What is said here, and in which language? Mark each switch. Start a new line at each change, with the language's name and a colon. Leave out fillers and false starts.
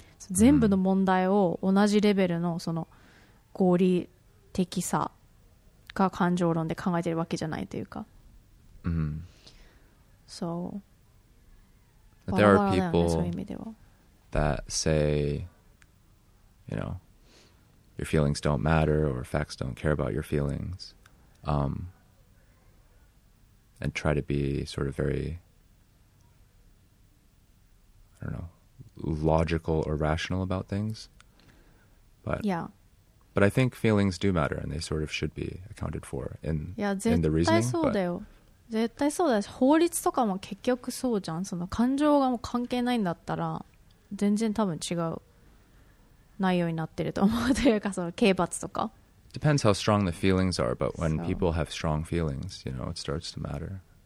Japanese: 全部の問題を同じレベルのその合理的さが感情論で考えてるわけじゃないというか。
English: So, but there are people that say, you know, your feelings don't matter, or facts don't care about your feelings, and try to be sort of very, I don't know, logical or rational about things. But yeah, but I think feelings do matter, and they sort of should be accounted for in the reasoning.
Japanese: Yeah, 絶対そうだよ。法律とかも結局そうじゃん。その感情がもう関係ないんだったら全然多分違う内容になってると思うというか、その刑罰とか。
English: Depends how strong the feelings are, but when people have strong feelings, you know, it starts to matter.